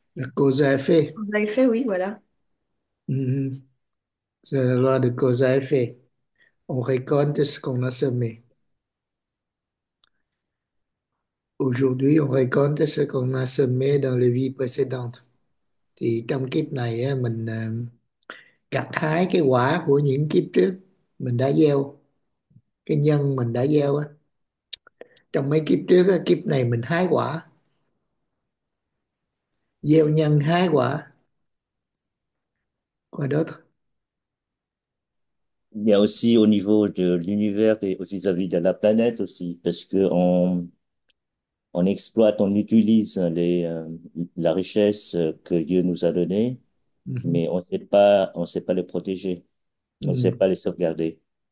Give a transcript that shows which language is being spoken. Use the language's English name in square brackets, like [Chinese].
[French] La cause à effet. On l'a fait, oui, voilà. C'est la loi de cause à effet. On récolte ce qu'on a semé. Aujourd'hui, on récolte ce qu'on a semé dans les vies précédentes. [Vietnamese] Thì trong kiếp này, mình gặt hái cái quả của những kiếp trước mình đã gieo, cái nhân mình đã gieo á, trong mấy kiếp trước á, kiếp này mình hái quả, gieo nhân hái quả qua đó thôi. [French] Il y a aussi au niveau de l'univers et aussi vis-à-vis de la planète aussi, parce que on exploite, on utilise la richesse que Dieu nous a donnée, mais on sait pas les protéger, on sait pas les sauvegarder.